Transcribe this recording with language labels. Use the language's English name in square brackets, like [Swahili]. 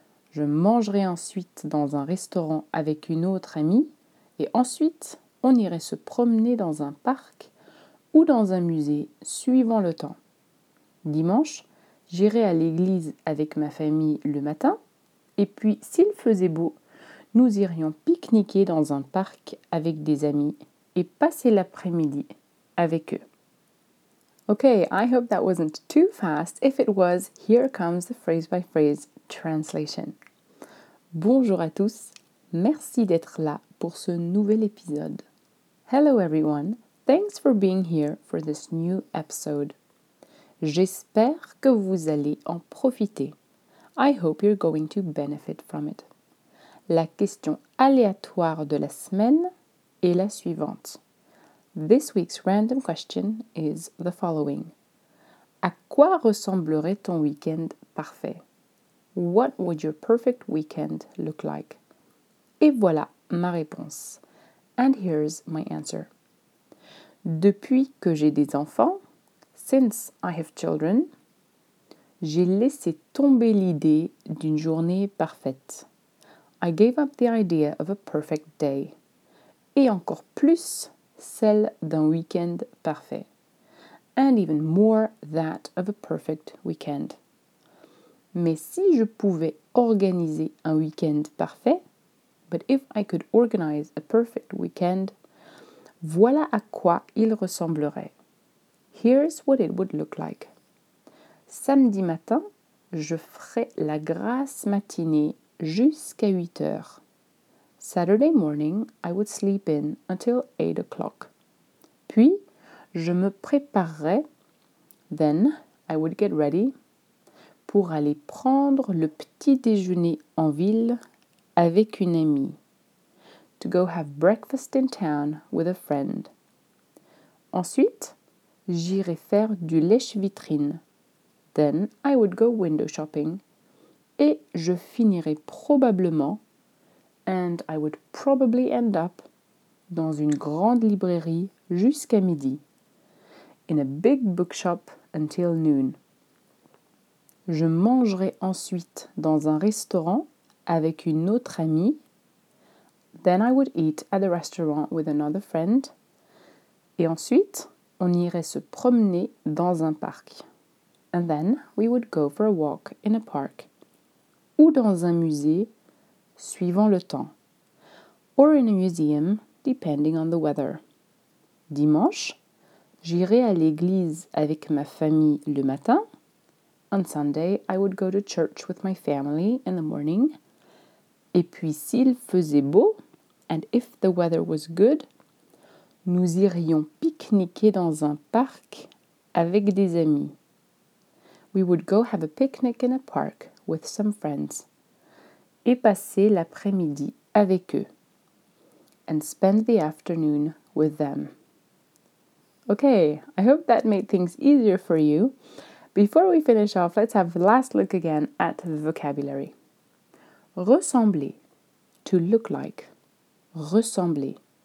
[French] Je mangerai ensuite dans un restaurant avec une autre amie et ensuite, on irait se promener dans un parc ou dans un musée suivant le temps. Dimanche, j'irai à l'église avec ma famille le matin, et puis s'il faisait beau, nous irions pique-niquer dans un parc avec des amis et passer l'après-midi avec eux. [English] Okay, I hope that wasn't too fast. If it was, here comes the phrase-by-phrase translation. [French] Bonjour à tous, merci d'être là pour ce nouvel épisode. [English] Hello everyone, thanks for being here for this new episode. [French] J'espère que vous allez en profiter. [English] I hope you're going to benefit from it. [French] La question aléatoire de la semaine est la suivante. [English] This week's random question is the following. [French] À quoi ressemblerait ton week-end parfait? [English] What would your perfect weekend look like? [French] Et voilà ma réponse. [English] And here's my answer. [French] Depuis que j'ai des enfants, [English] since I have children, [French] j'ai laissé tomber l'idée d'une journée parfaite. [English] I gave up the idea of a perfect day. [French] Et encore plus, celle d'un week-end parfait. [English] and even more that of a perfect weekend. [French] Mais si je pouvais organiser un week-end parfait, [English] but if I could organize a perfect weekend, [French] voilà à quoi il ressemblerait. [English] Here's what it would look like. [French] Samedi matin, je ferai la grasse matinée jusqu'à 8 heures. [English] Saturday morning, I would sleep in until 8 o'clock. [French] Puis, je me préparerai, [English] then I would get ready, [French] pour aller prendre le petit déjeuner en ville avec une amie. [English] To go have breakfast in town with a friend. [French] Ensuite, j'irai faire du lèche-vitrine. [English] Then I would go window shopping. [French] Et je finirai probablement, [English] and I would probably end up, [French] dans une grande librairie jusqu'à midi. [English] In a big bookshop until noon. [French] Je mangerai ensuite dans un restaurant avec une autre amie. [English] Then I would eat at the restaurant with another friend. [French] Et ensuite, on irait se promener dans un parc. [English] And then we would go for a walk in a park. [French] Ou dans un musée, suivant le temps. [English] Or in a museum, depending on the weather. [French] Dimanche, j'irai à l'église avec ma famille le matin. [English] On Sunday, I would go to church with my family in the morning. [French] Et puis s'il faisait beau, [English] and if the weather was good, [French] nous irions pique-niquer dans un parc avec des amis. [English] We would go have a picnic in a park with some friends. [French] Et passer l'après-midi avec eux. [English] And spend the afternoon with them. Okay, I hope that made things easier for you. Before we finish off, let's have a last look again at the vocabulary. Ressembler, to look like, ressembler.